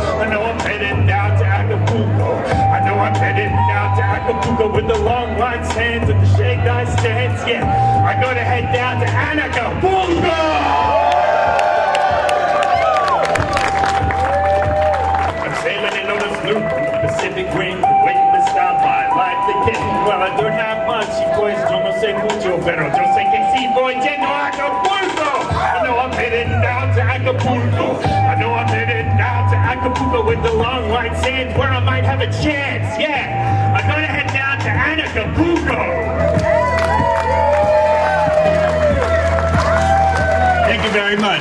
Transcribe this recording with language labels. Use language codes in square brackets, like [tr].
[en] I know I'm heading down to Acapulco. I know I'm heading down to Acapulco with the long white sands and the shake nice stands. Yeah, I gotta head down to Acapulco! I'm sailing in on a sloop in the Pacific wind, waiting to start my life again. Well, I don't have much, [es] pues yo no sé mucho, pero yo sé que si voy tiendo a Acapulco. [en] I know I'm heading down to Acapulco. I know I'm headed down to Acapulco with the long white sands where I might have a chance, yeah. I'm gonna head down to Acapulco. Thank you very much.